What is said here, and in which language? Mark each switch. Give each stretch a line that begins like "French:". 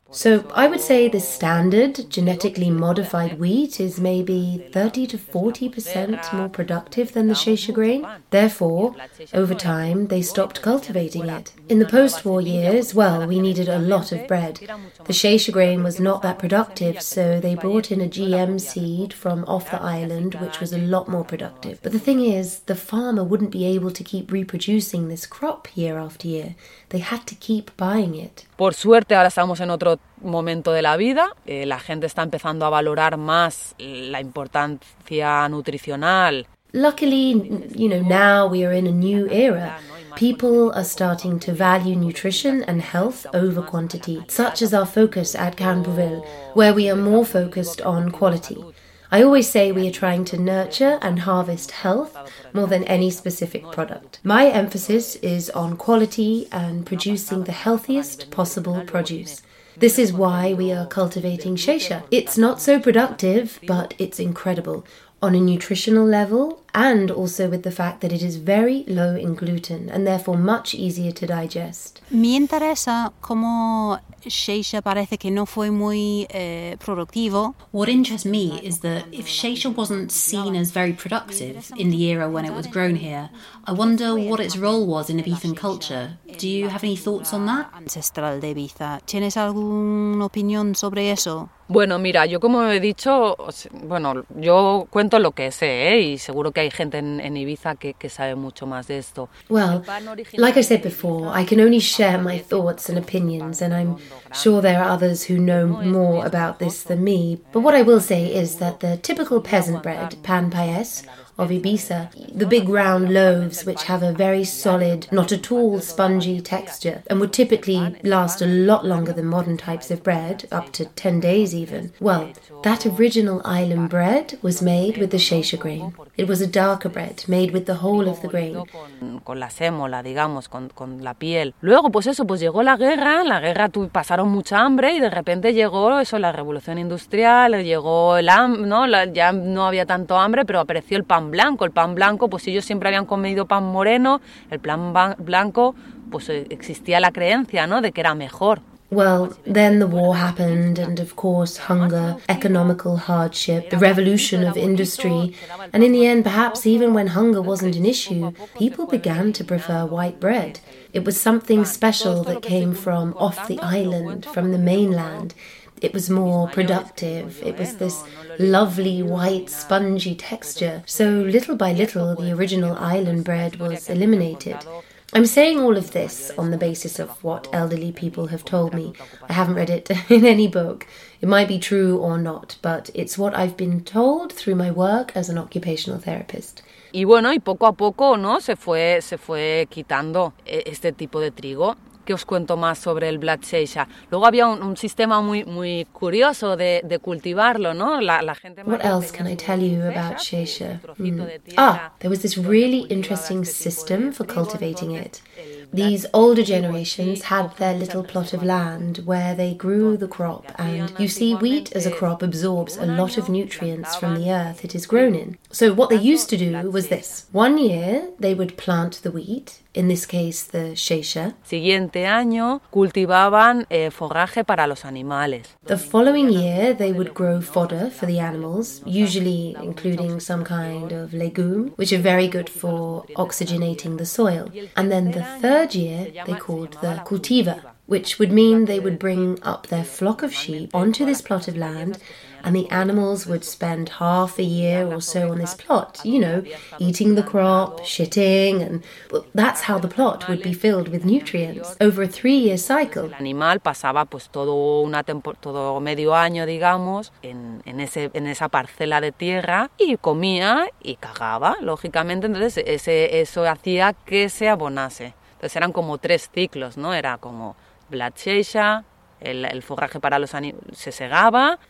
English: So I would say the standard genetically modified wheat is maybe 30 to 40% more productive than the Xeixa grain. Therefore, over time, they stopped cultivating it. In the post-war years, well, we needed a lot of bread. The Xeixa grain was not that productive, so they brought in a GM seed from off the island, which was a lot more productive. But the thing is, the farmer wouldn't be able to keep reproducing this crop year after year. They had to keep buying it.
Spanish: Por suerte, ahora estamos en otro momento de la vida. La gente está empezando a valorar más la importancia nutricional.
English: Luckily, you know, now we are in a new era. People are starting to value nutrition and health over quantity, such as our focus at Campoville, where we are more focused on quality. I always say we are trying to nurture and harvest health more than any specific product. My emphasis is on quality and producing the healthiest possible produce. This is why we are cultivating Xeixa. It's not so productive, but it's incredible on a nutritional level and also with the fact that it is very low in gluten and therefore much easier to digest.
Spanish: Me interesa cómo Sheisha parece que no fue muy productivo.
English: What interests me is that if Sheisha wasn't seen as very productive in the era when it was grown here, I wonder what its role was in Ibizan culture. Do you have any thoughts on that?
Spanish: Ancestral de Ibiza. ¿Tienes alguna opinión sobre eso? Bueno, mira, yo como he dicho, bueno, yo cuento lo que sé, ¿eh? Y seguro que hay gente en Ibiza que sabe mucho más de esto.
English: Well, like I said before, I can only share my thoughts and opinions, and I'm sure there are others who know more about this than me. But what I will say is that the typical peasant bread, pan payés, of Ibiza, the big round loaves which have a very solid, not at all spongy texture, and would typically last a lot longer than modern types of bread, up to 10 days even. Well, that original island bread was made with the Sheisha grain. It was a darker bread, made with the whole of the grain.
Spanish: Con la sémola, digamos, con la piel. Luego, pues eso, pues llegó la guerra pasaron mucha hambre y de repente llegó eso, la revolución industrial, llegó el hambre, ¿no? Ya no había tanto hambre, pero apareció el pan blanco. El pan blanco, pues ellos siempre habían comido pan moreno, el pan blanco, pues existía la creencia, ¿no?, de que era mejor.
English: Well, then the war happened, and of course hunger, economical hardship, the revolution of industry, and in the end, perhaps even when hunger wasn't an issue, people began to prefer white bread. It was something special that came from off the island, from the mainland. It was more productive. It was this lovely, white, spongy texture. So little by little, the original island bread was eliminated. I'm saying all of this on the basis of what elderly people have told me. I haven't read it in any book. It might be true or not, but it's what I've been told through my work as an occupational therapist.
Spanish: Y bueno, y poco a poco, ¿no?, se fue quitando este tipo de trigo. ¿Qué os cuento más sobre el Black Sheisha? Luego había un sistema muy, muy curioso de cultivarlo, ¿no? La gente...
English: What else can I tell you about Sheisha? There was this really interesting system for cultivating it. These older generations had their little plot of land where they grew the crop. And you see, wheat as a crop absorbs a lot of nutrients from the earth it is grown in. So what they used to do was this. One year, they would plant the wheat, in this case, the Sheisha.
Spanish: Siguiente año, cultivaban forraje para los animales.
English: The following year, they would grow fodder for the animals, usually including some kind of legume, which are very good for oxygenating the soil. And then the third year, they called the cultiva, which would mean they would bring up their flock of sheep onto this plot of land, and the animals would spend half a year or so on this plot, you know, eating the crop, shitting, and that's how the plot would be filled with nutrients over a three-year cycle.
Spanish: El animal pasaba pues todo medio año, digamos, en esa parcela de tierra y comía y cagaba, lógicamente, entonces eso hacía que se abonase. Entonces eran como tres ciclos, ¿no? Era como Black Sheisha, el forraje para los animales se segaba.